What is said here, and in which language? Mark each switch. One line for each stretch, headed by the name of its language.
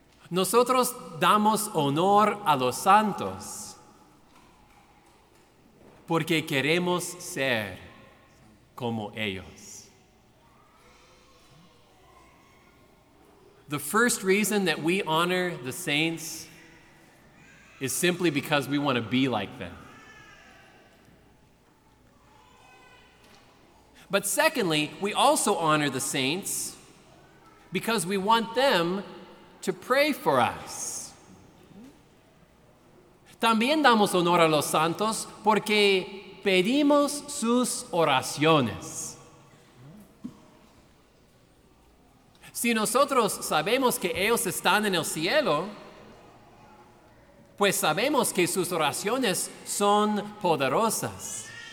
Spanish: Nosotros damos honor a los santos porque queremos ser como ellos.
English: The first reason that we honor the saints is simply because we want to be like them. But secondly, we also honor the saints because we want them to pray for us.
Spanish: También damos honor a los santos porque pedimos sus oraciones. Si nosotros sabemos que ellos están en el cielo, pues sabemos que sus oraciones son poderosas.